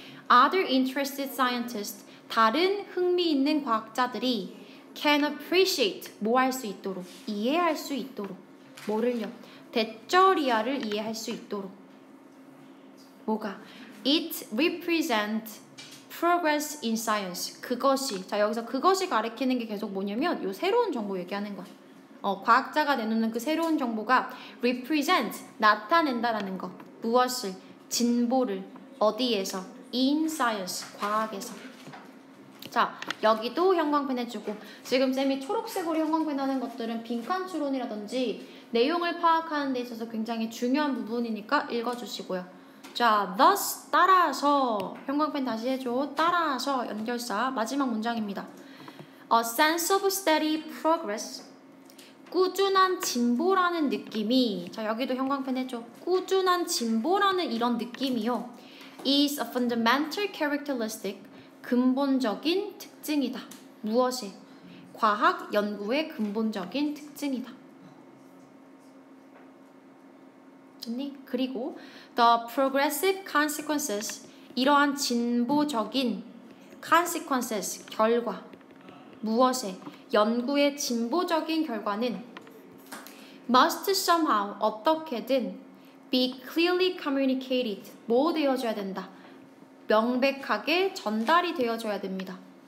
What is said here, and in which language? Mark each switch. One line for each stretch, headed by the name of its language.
English: Other interested scientists,
Korean: 다른 흥미 있는 과학자들이
English: can appreciate,
Korean: 뭐 할 수 있도록. 이해할 수 있도록. 뭐를요? 대절이야를 이해할 수 있도록. 뭐가?
English: It represents progress in science.
Korean: 그것이. 자, 여기서 그것이 가리키는 게 계속 뭐냐면 요 새로운 정보 얘기하는 거야. 과학자가 내놓는 그 새로운 정보가 represent, 나타낸다라는 거. 무엇을? 진보를. 어디에서?
English: In science,
Korean: 과학에서. 자, 여기도 형광펜 해주고 지금 쌤이 초록색으로 형광펜 하는 것들은 빈칸 추론이라든지 내용을 파악하는 데 있어서 굉장히 중요한 부분이니까 읽어주시고요. 자, thus 따라서 형광펜 다시 해줘. 따라서 연결사 마지막 문장입니다.
English: A sense of steady progress.
Korean: 꾸준한 진보라는 느낌이. 자, 여기도 형광펜 해줘. 꾸준한 진보라는 이런 느낌이요.
English: Is a fundamental characteristic.
Korean: 근본적인 특징이다. 무엇이? 과학 연구의 근본적인 특징이다. 됐니?
English: 그리고 the progressive consequences.
Korean: 이러한 진보적인 consequences, 결과. 무엇에? 연구의 진보적인 결과는
English: must somehow,
Korean: 어떻게든
English: be clearly communicated.
Korean: 뭐 되어줘야 된다? 명백하게 전달이 되어줘야 됩니다.